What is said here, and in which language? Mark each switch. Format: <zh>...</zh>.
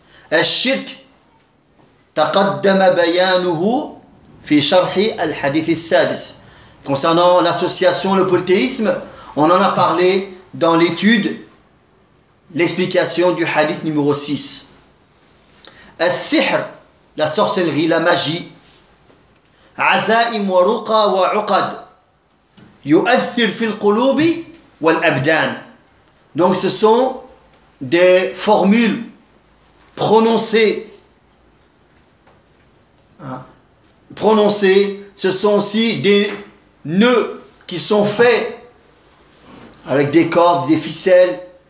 <ar>Al-shirk, taqaddama bayanuhu fi sharhi al-hadith al-sadis.</ar> <fr>Concernant l'association, le polythéisme, on en a parlé dans l'étude, l'explication du hadith numéro 6. Al-sihr, la sorcellerie, la magie.</fr> <ar>عزائم ورقى وعقد يؤثر في القلوب والأبدان.</ar> <fr>Donc ce sont des formules prononcées. Ce sont aussi des nœuds qui sont faits avec des cordes, des ficelles.</fr>